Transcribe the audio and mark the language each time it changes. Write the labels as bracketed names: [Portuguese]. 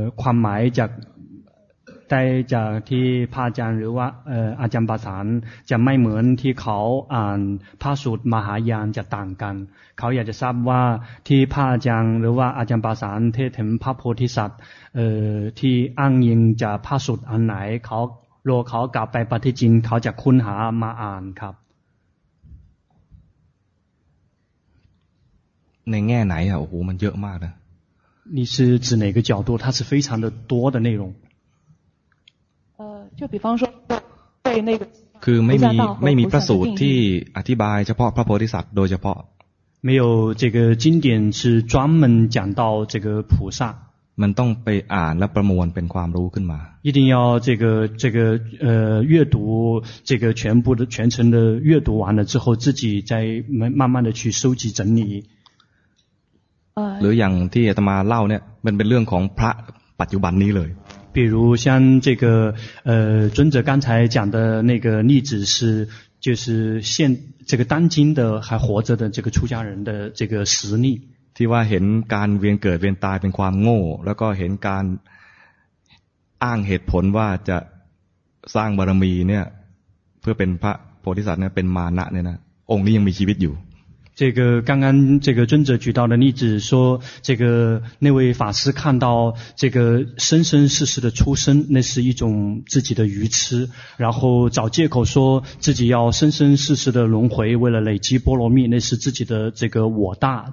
[Thai] ามหมายจากได้จากที่พระอาจารย์หรือว่าอาจารย์ปาสานจะไม่เหมือนที่เขาอ่านพระสูตรมหายานจะต่างกันเขาอยากจะทราบว่าที่พระอาจารย์หรือว่าอาจารย์ปาสานเทศน์ถึงพระโพธิสัตว์ที่อ้างอิงจากพระสูตรอันไหนเขาโลเขากลับไปปฏิจินเขาจะคุ้นหามาอ่านครับ ในแง่ไหนอ่ะโอ้โหมันเยอะมากนะ [Chinese] 你是指哪个角度它是非常的多的内容就比方说对那个 [Thai] คือไม่มีพระสูตรที่อธิบายเฉพาะพระโพธิสัตว์โดยเฉพาะ [Chinese] 没有这个经典是专门讲到这个菩萨 [Thai] มันต้องไปอ่านและประมวลเป็นความรู้ขึ้นมา [Chinese] 一定要这个阅读这个全部的全程的阅读完了之后自己再慢慢的去收集整理 [Thai] หรืออย่างที่อาตมาเล่าเนี่ยมันเป็นเรื่องของพระปัจจุบันนี้เลย [Chinese] 比如像这个尊者刚才讲的那个例子是就是现这个当今的还活着的这个出家人的这个实例 [Thai] ที่ว่าเห็นการเวียนเกิดเวียนตายเป็นความโง่แล้วก็เห็นการอ้างเหตุผลว่าจะสร้างบารมีเนี่ยเพื่อเป็นพระโพธิสัตว์เนี่ยเป็นมานะเนี่ยนะองค์นี้ยังมีชีวิตอยู่ [Chinese] 这个刚刚这个尊者举到的例子说，这个那位法师看到这个生生世世的出生，那是一种自己的愚痴，然后找借口说自己要生生世世的轮回，为了累积波罗蜜，那是自己的这个我大。